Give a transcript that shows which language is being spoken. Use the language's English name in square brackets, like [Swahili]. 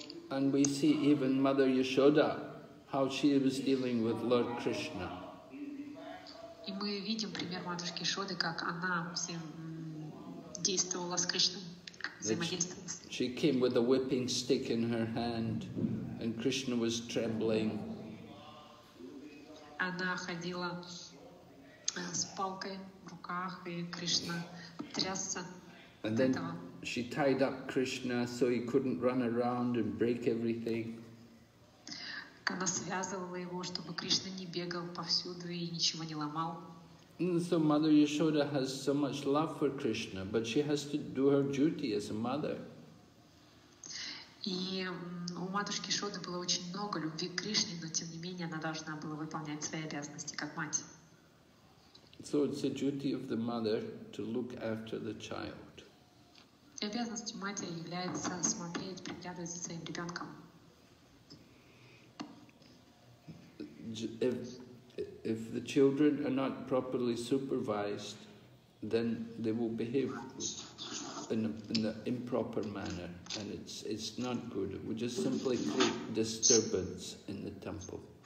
[English] And we see even Mother Yashoda, how she was dealing with Lord Krishna. [Russian] И мы видим пример матушки Шоды, как она всем действовала с Кришной, взаимодействовала. [English] She came with a whipping stick in her hand, and Krishna was trembling. [Russian] Она ходила с палкой в руках, и Кришна трясся. [English] And then she tied up Krishna so he couldn't run around and break everything. [Russian] Она связывала его, чтобы Кришна не бегал повсюду и ничего не ломал. [English] And so Mother Yashoda has so much love for Krishna, but she has to do her duty as a mother. [Russian] И у матушки Шоды было очень много любви к Кришне, но тем не менее она должна была выполнять свои обязанности как мать. [English] So it's the duty of the mother to look after the child. [Russian] Обязанностью матери является смотреть, приглядывать за своим ребенком. [English] If the children are not properly supervised, then they will behave in an improper manner, and it's not good. It will just simply create disturbance in the temple.